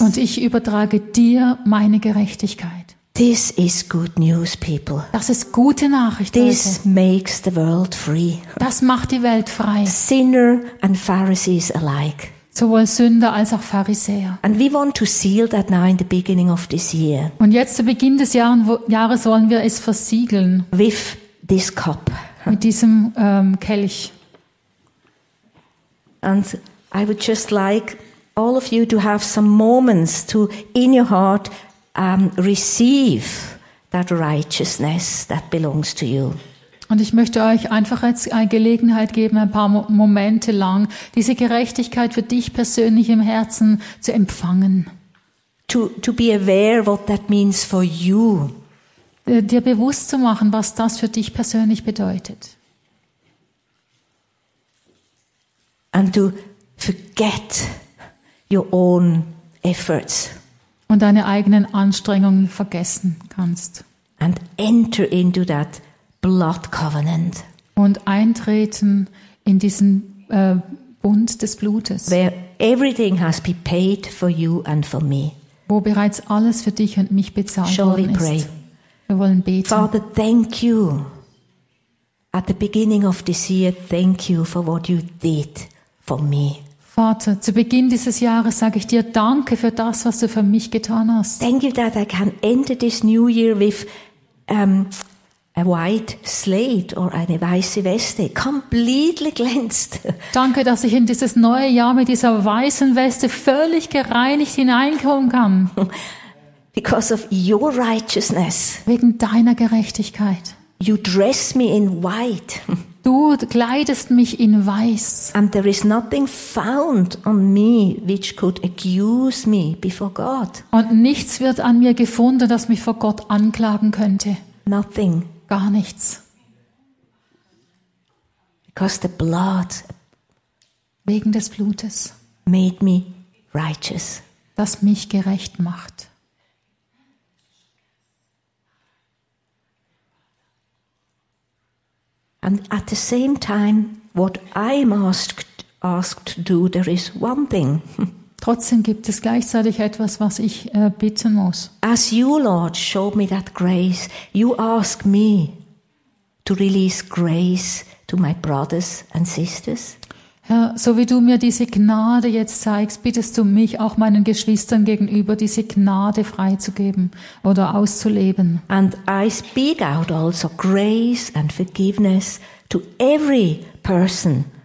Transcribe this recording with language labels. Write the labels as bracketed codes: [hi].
[de] Und ich übertrage dir meine Gerechtigkeit. [en] This is good news, people. [de] Das ist gute Nachricht, [en] this [de] Leute. [en] Makes the world free. [de] Das macht die Welt frei. [en] Sinner and Pharisees alike. [de] Sowohl Sünder als auch Pharisäer. [en] And we want to seal that now in the beginning of this year. [de] Und jetzt zu Beginn des Jahres wollen wir es versiegeln. [en] With this cup. [de] Mit diesem Kelch. [en] And I would just like all of you to have some moments to, in your heart, receive that righteousness that belongs to you. [de] Und ich möchte euch einfach jetzt eine Gelegenheit geben, ein paar Momente lang diese Gerechtigkeit für dich persönlich im Herzen zu empfangen. [en] To be aware what that means for you. [de] Dir bewusst zu machen, was das für dich persönlich bedeutet. [en] And to forget your own efforts. [de] Und deine eigenen Anstrengungen vergessen kannst. [en] And enter into that blood covenant. [de] Und eintreten in diesen Bund des Blutes. [en] Where everything has been paid for you and for me. [de] wo bereits alles für dich und mich bezahlt worden ist. [en] Pray. [de] Wir wollen beten. [en] Father, thank you. At the beginning of this year, thank you for what you did for me. [de] Vater, zu Beginn dieses Jahres sage ich dir Danke für das, was du für mich getan hast. [en] Thank you that I can enter this new year with a white slate or [de] eine weiße Weste, [en] completely cleansed. [de] Danke, dass ich in dieses neue Jahr mit dieser weißen Weste völlig gereinigt hineinkommen kann. [en] Because of your righteousness. [de] Wegen deiner Gerechtigkeit. [en] You dress me in white. [de] Du kleidest mich in weiß. [en] And there is nothing found on me which could accuse me before God. [de] Und nichts wird an mir gefunden, das mich vor Gott anklagen könnte. [en] Nothing. [de] Gar nichts. [en] Because the blood, [de] wegen des Blutes, [en] made me righteous. [de] Das mich gerecht macht. [en] And at the same time, what I'm asked to do, there is one thing. [de] Trotzdem gibt es gleichzeitig etwas, was ich bitten muss. [en] As you, Lord, showed me that grace, you ask me to release grace to my brothers and sisters. [de] Herr, so wie du mir diese Gnade jetzt zeigst, bittest du mich, auch meinen Geschwistern gegenüber, diese Gnade freizugeben oder auszuleben. [en] And I speak out also grace and forgiveness to every person